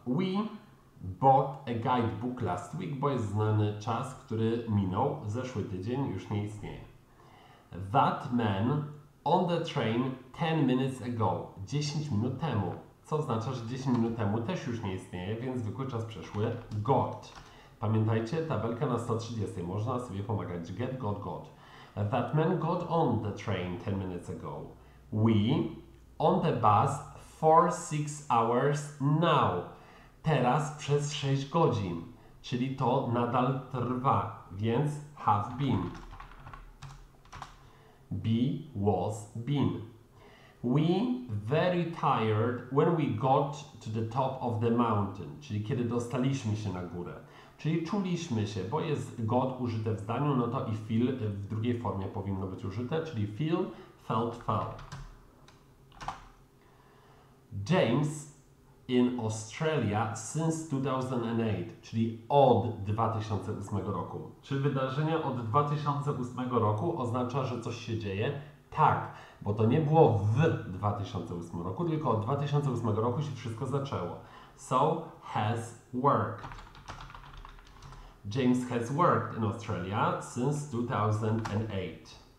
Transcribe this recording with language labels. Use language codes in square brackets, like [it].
[en] We bought a guidebook last week, [pl] bo jest znany czas, który minął, zeszły tydzień, już nie istnieje. [en] That man on the train 10 minutes ago. [pl] 10 minut temu. Co oznacza, że 10 minut temu też już nie istnieje, więc zwykły czas przeszły. Got. Pamiętajcie, tabelkę na 130. Można sobie pomagać. Get, got. [en] That man got on the train 10 minutes ago. We on the bus 4-6 hours now. [pl] Teraz przez 6 godzin. Czyli to nadal trwa. Więc have been. Be, was, been. We very tired when we got to the top of the mountain. Czyli kiedy dostaliśmy się na górę. Czyli czuliśmy się, bo jest got użyte w zdaniu, no to i feel w drugiej formie powinno być użyte. Czyli feel, felt, felt. [en] James in Australia since 2008, [pl] czyli od 2008 roku. Czy wydarzenia od 2008 roku oznacza, że coś się dzieje? Tak, bo to nie było w 2008 roku, tylko od 2008 roku się wszystko zaczęło. [en] So has worked. James has worked in Australia since 2008.